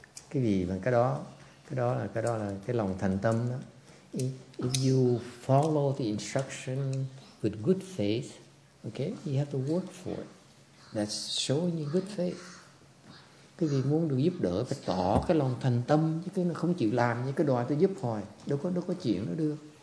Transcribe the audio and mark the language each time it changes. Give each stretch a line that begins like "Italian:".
Vietnamese: Cái gì mà cái đó là cái lòng thành tâm đó.
English: If you follow the instruction with good faith, okay, you have to work for it. That's showing you good faith.
Vietnamese: Cái gì muốn được giúp đỡ phải tỏ cái lòng thành tâm chứ cái nó không chịu làm như cái đòi tôi giúp hồi đâu có chuyện nó được.